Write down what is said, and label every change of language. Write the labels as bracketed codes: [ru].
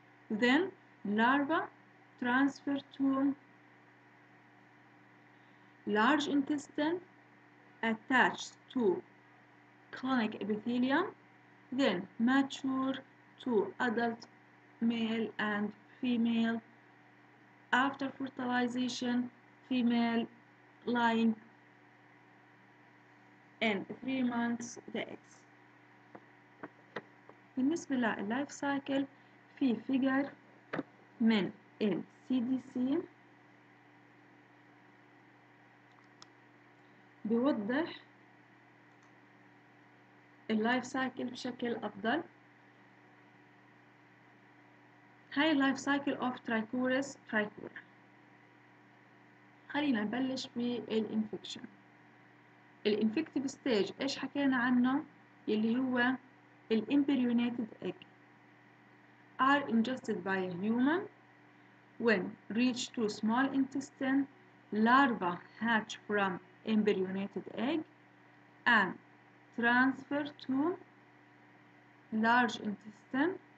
[en] Then larva transfer to large intestine attached to colonic epithelium, then mature to adult male and female. After fertilization, female lying in 3 months the eggs. [ar] بالنسبة لللايف سايكل في فيجر من ال CDC بيوضح اللايف سايكل بشكل أفضل. هاي اللايف سايكل اوف ترايكورس ترايكورا. خلينا نبلش بالانفكشن. الانفكتيف ستيج ايش حكينا عنه؟ يلي هو الامبريونيتد ايج [en] are ingested by a human when reached to small intestine. Larva hatch from embryonated egg and transfer to large intestine.